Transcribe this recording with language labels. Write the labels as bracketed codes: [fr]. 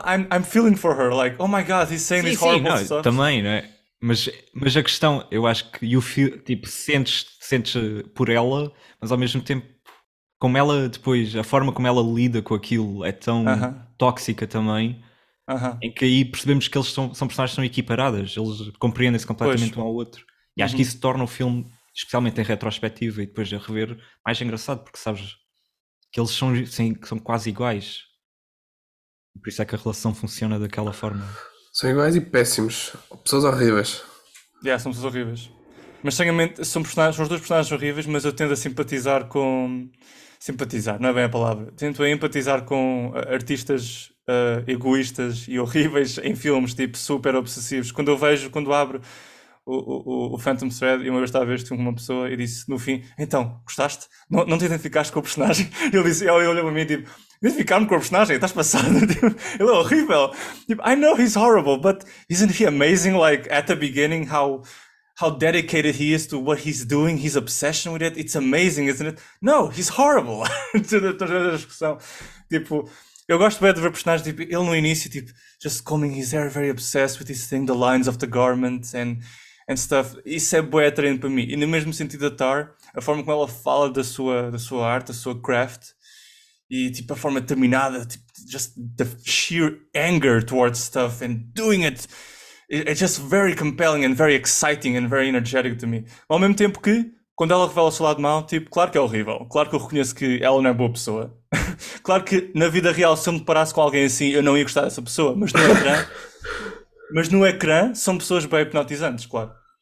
[en] I'm feeling for her, like, oh my god, he's saying these [pt] Sim, [en] horrible [pt] não, [en] stuff. [pt] também, não é? Mas a questão, eu acho que o filme, tipo, sentes por ela, mas ao mesmo tempo, como ela depois, a forma como ela lida com aquilo é tão tóxica também, em que aí percebemos que eles são personagens que são equiparadas, eles compreendem-se completamente um ao outro. E acho que isso torna o filme, especialmente em retrospectiva e depois de rever, mais engraçado, porque sabes que eles são, sim, são quase iguais. Por isso é que a relação funciona daquela forma. São iguais e péssimos, pessoas horríveis. São pessoas horríveis. Mas são os dois personagens horríveis, mas eu tendo a simpatizar com. Simpatizar, não é bem a palavra. Tento empatizar com artistas egoístas e horríveis em filmes, tipo super obsessivos. Quando eu vejo, quando abro o Phantom Thread, e uma vez estava a ver uma pessoa e disse no fim: Então, gostaste? Não te identificaste com o personagem? Ele olhou para mim e tipo: Identificar-me com o personagem? Estás passado? Ele é horrível. [en] Tipo, I know he's horrible, but isn't he amazing? Like, at the beginning, how dedicated he is to what he's doing, his obsession with it, it's amazing, isn't it? No, he's horrible. [pt] Estou a discussão. Tipo, eu gosto bem de ver personagens, tipo, ele no início, tipo, [en] just combing his hair, very obsessed with this thing, the lines of the garment and stuff. [pt] Isso é bué atraente para mim. E no mesmo sentido da Tár, a forma como ela fala da sua arte, da sua craft, e tipo, a forma determinada, tipo, [en] just the sheer anger towards stuff and doing it. It's just very compelling and very exciting and very energetic to me. [pt] Ao mesmo tempo que, quando ela revela o seu lado mau, tipo, claro que é horrível. Claro que eu reconheço que ela não é boa pessoa. Claro que na vida real, se eu me deparasse com alguém assim, eu não ia gostar dessa pessoa. Mas no ecrã, são pessoas bem hipnotizantes, claro.